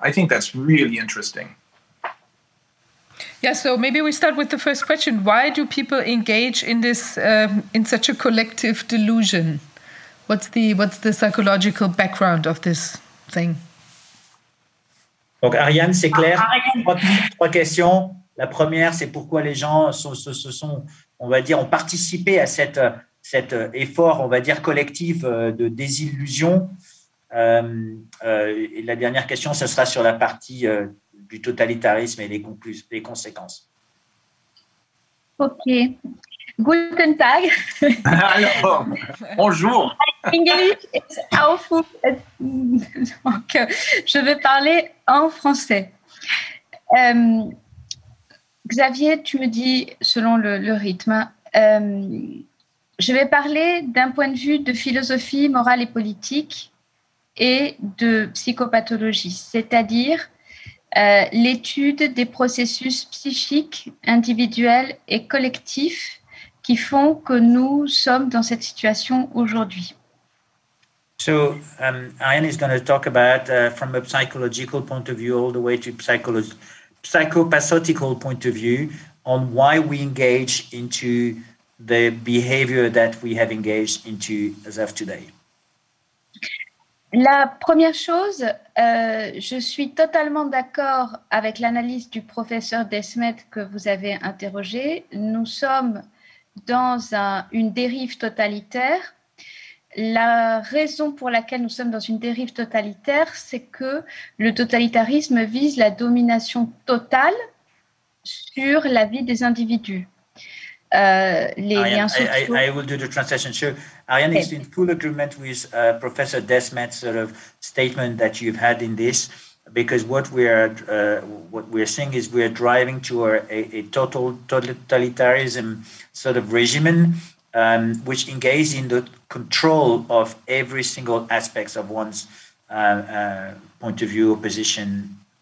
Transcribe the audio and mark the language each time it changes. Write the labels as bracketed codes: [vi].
[en] I think that's really interesting. Yeah, so maybe we start with the first question. Why do people engage in this in such a collective delusion? What's the psychological background of this thing? [fr] Donc Ariane, c'est clair. Trois questions. La première, c'est pourquoi les gens se sont, on va dire, ont participé à cet effort, on va dire, collectif de désillusion. Et la dernière question, ce sera sur la partie du totalitarisme et les conséquences. [de] Ok. Guten Tag. [fr] Bonjour. [en] English is awful. [fr] Donc, je vais parler en français. Xavier, tu me dis selon le rythme. Je vais parler d'un point de vue de philosophie morale et politique et de psychopathologie, c'est-à-dire l'étude des processus psychiques individuels et collectifs qui font que nous sommes dans cette situation aujourd'hui. [en] So, Ariane is going to talk about, from a psychological point of view, all the way to psychopathological point of view, on why we engage into the behavior that we have engaged into as of today. [fr] La première chose, je suis totalement d'accord avec l'analyse du professeur Desmet que vous avez interrogé. Nous sommes dans une dérive totalitaire. La raison pour laquelle nous sommes dans une dérive totalitaire, c'est que le totalitarisme vise la domination totale sur la vie des individus. [en] I will do the translation. Sure. Ariane is in full agreement with Professor Desmet's sort of statement that you've had in this, because what we are saying is we are driving to a total totalitarianism sort of regimen, which engages in the control of every single aspect of one's point of view or position.